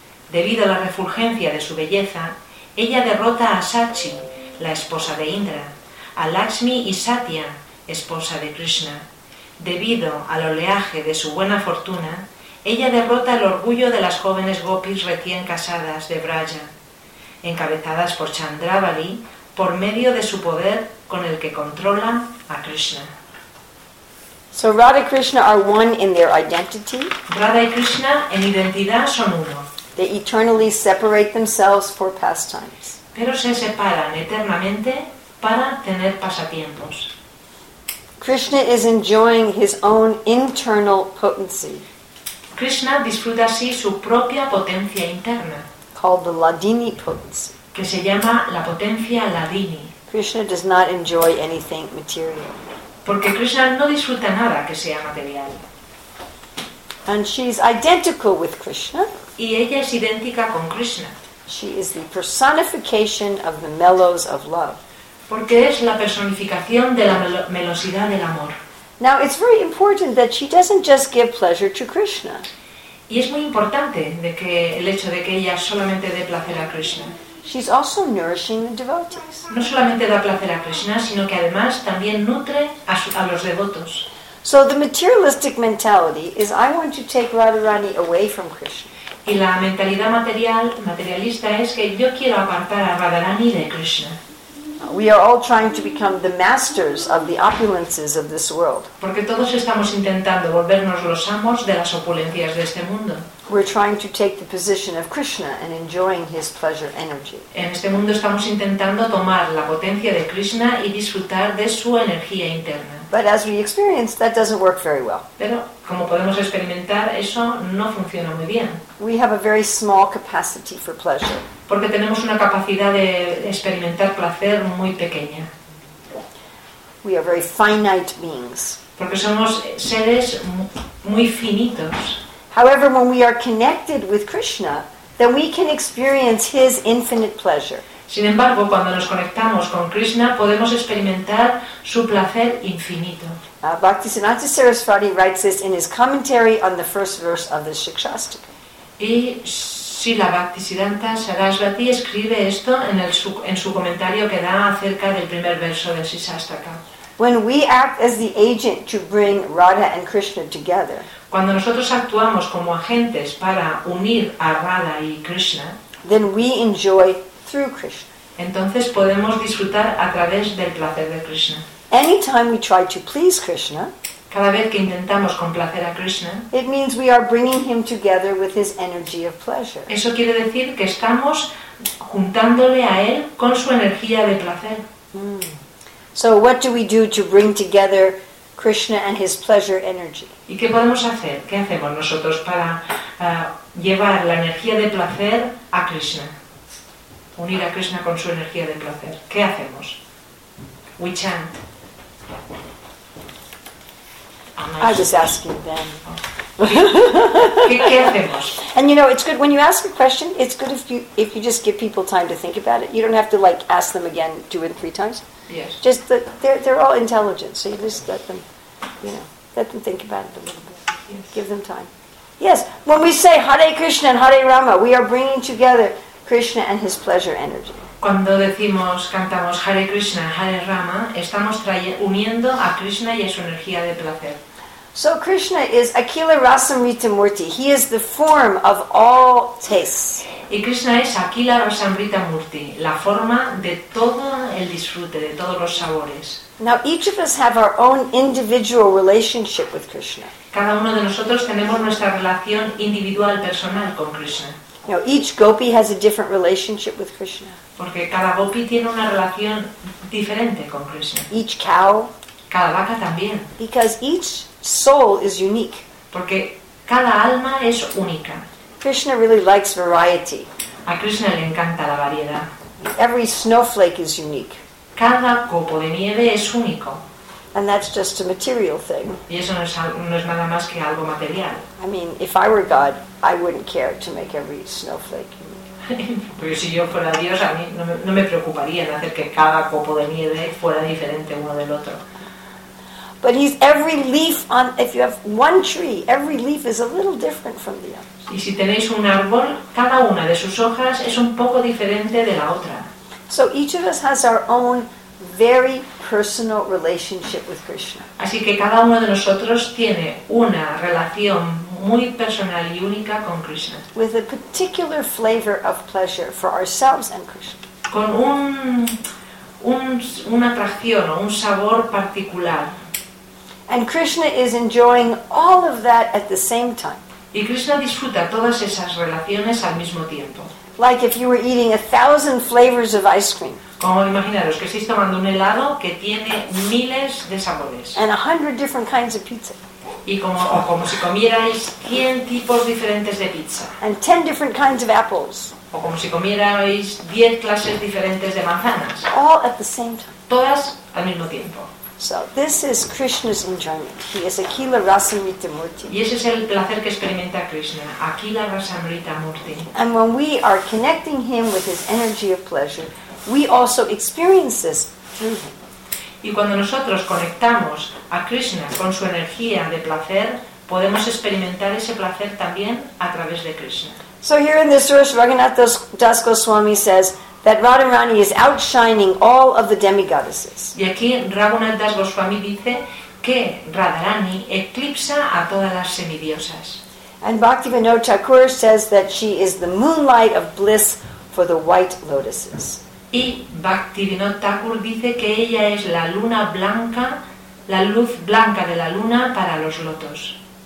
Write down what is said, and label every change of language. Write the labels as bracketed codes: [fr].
[es] Debido a la refulgencia de su belleza, ella derrota a Sachi, la esposa de Indra, a Lakshmi y Satya, esposa de Krishna. Debido al oleaje de su buena fortuna, ella derrota el orgullo de las jóvenes gopis recién casadas de Braja, encabezadas por Chandravali, por medio de su poder con el que controla a Krishna. [en] So Radha and Krishna are one in their identity. [es] Radha y Krishna en identidad son uno. [en] They eternally separate themselves for pastimes. [es] Pero se separan eternamente para tener pasatiempos. [en] Krishna is enjoying his own internal potency. [es] Krishna disfruta así su propia potencia interna, [en] called the Ladini potency, [es] que se llama la potencia Ladini. [en] Krishna does not enjoy anything material. [es] Porque Krishna no disfruta nada que sea material. [en] And she's identical with Krishna. [es] Y ella es idéntica con Krishna. [en] She is the personification of the mellows of love. [es] Porque es la personificación de la melosidad del amor. [en] Now it's very important that she doesn't just give pleasure to Krishna. [es] Y es muy importante de que el hecho de que ella solamente dé placer a Krishna. [en] She's also nourishing the devotees. [es] No solamente da placer a Krishna, sino que además también nutre a los devotos. [en] So the materialistic mentality is I want to take Radharani away from Krishna. [es] Y la mentalidad materialista es que yo quiero apartar a Radharani de Krishna. [en] We are all trying to become the masters of the opulences of this world. [es] Porque todos estamos intentando volvernos los amos de las opulencias de este mundo. [en] We're trying to take the position of Krishna and enjoying his pleasure energy. [es] En este mundo estamos intentando tomar la potencia de Krishna y disfrutar de su energía interna. [en] But as we experience, that doesn't work very well. [es] Pero como podemos experimentar, eso no funciona muy bien. [en] We have a very small capacity for pleasure. [es] Porque tenemos una capacidad de experimentar placer muy pequeña. [en] We are very finite beings. [es] Porque somos seres muy finitos. [en] However, when we are connected with Krishna, then we can experience his infinite pleasure. [es] Sin embargo, cuando nos conectamos con Krishna, podemos experimentar su placer infinito. [en] Bhaktisiddhanta Sarasvati writes this in his commentary on the first verse of the Shikshastika. [es] Y Srila Bhaktisiddhanta Sarasvati escribe esto en su comentario que da acerca del primer verso del Shikshastika. [en] When we act as the agent to bring Radha and Krishna together, [es] cuando nosotros actuamos como agentes para unir a Radha y Krishna, [en] then we enjoy through Krishna. [es] Entonces podemos disfrutar a través del placer de Krishna. [en] Anytime we try to please Krishna, [es] Cada vez que intentamos complacer a Krishna, [en] it means we are bringing him together with his energy of pleasure. [es] Eso quiere decir que estamos juntándole a él con su energía de placer. Mm. [en] So what do we do to bring together Krishna and his pleasure energy? [es] ¿Y qué podemos hacer? ¿Qué hacemos nosotros para llevar la energía de placer a Krishna? Unir a Krishna con su energía de placer. ¿Qué hacemos? [en] We chant. I was asking them. [es] ¿Qué hacemos? [en] And you know, it's good when you ask a question, it's good if you just give people time to think about it. You don't have to like ask them again 2 and 3 times. Yes. Just that they're all intelligent, so you just let them, you know, let them think about it a little bit. Yes. Give them time. Yes, when we say Hare Krishna and Hare Rama, we are bringing together Krishna and his pleasure energy. [es] Cuando decimos, cantamos Hare Krishna, Hare Rama, estamos uniendo a Krishna y a su energía de placer. [en] So Krishna is Akila Rasamrita Murti. He is the form of all tastes. [es] Y Krishna es Akila Rasamrita Murti, la forma de todo el disfrute, de todos los sabores. [en] Now each of us have our own individual relationship with Krishna. [es] Cada uno de nosotros tenemos nuestra relación individual, personal con Krishna. [en] Now each gopi has a different relationship with Krishna. [es] Porque cada gopi tiene una relación diferente con Krishna. [en] Each cow. [es] Cada vaca también. [en] Because each soul is unique. [es] Porque cada alma es única. [en] Krishna really likes variety. [es] A Krishna le encanta la variedad. [en] Every snowflake is unique. [es] Cada copo de nieve es único. [en] And that's just a material thing. [es] Y eso no es nada más que algo material. [en] I mean, if I were God, I wouldn't care to make every snowflake unique. [es] Porque si yo fuera Dios, a mí no me preocuparía en hacer que cada copo de nieve fuera diferente uno del otro. [en] But he's every leaf on. If you have one tree, every leaf is a little different from the other. [es] Y si tenéis un árbol, cada una de sus hojas es un poco diferente de la otra. [en] So each of us has our own very personal relationship with Krishna. [es] Así que cada uno de nosotros tiene una relación muy personal y única con Krishna. [en] With a particular flavor of pleasure for ourselves and Krishna. [es] Con una atracción o un sabor particular. [en] And Krishna is enjoying all of that at the same time. [es] Y Krishna disfruta todas esas relaciones al mismo tiempo. [en] Like if you were eating 1,000 flavors of ice cream. [es] Como imaginaros que estáis tomando un helado que tiene miles de sabores. [en] And 100 different kinds of pizza. [es] Y como si comierais 100 tipos diferentes de pizza. [en] And 10 different kinds of apples. [es] O como si comierais 10 clases diferentes de manzanas. [en] All at the same time. [es] Todas al mismo tiempo. [en] So this is Krishna's enjoyment. He is Akila Rasamrita Murti. [es] Y ese es el placer que experimenta Krishna, Akila Rasamrita Murti. [en] And when we are connecting him with his energy of pleasure, we also experience this through him. [es] Y cuando nosotros conectamos a Krishna con su energía de placer, podemos experimentar ese placer también a través de Krishna. [en] So here in this verse, Raghunath Das Goswami says that Radharani is outshining all of the demigoddesses. [es] Y aquí Raghunath Das Goswami dice que Radharani eclipsa a todas las semidiosas. [en] And Bhaktivinoda Thakur says that she is the moonlight of bliss for the white lotuses. [es] Y Bhaktivinoda Thakur dice que ella es la luna blanca, la luz blanca de la luna para los lotos.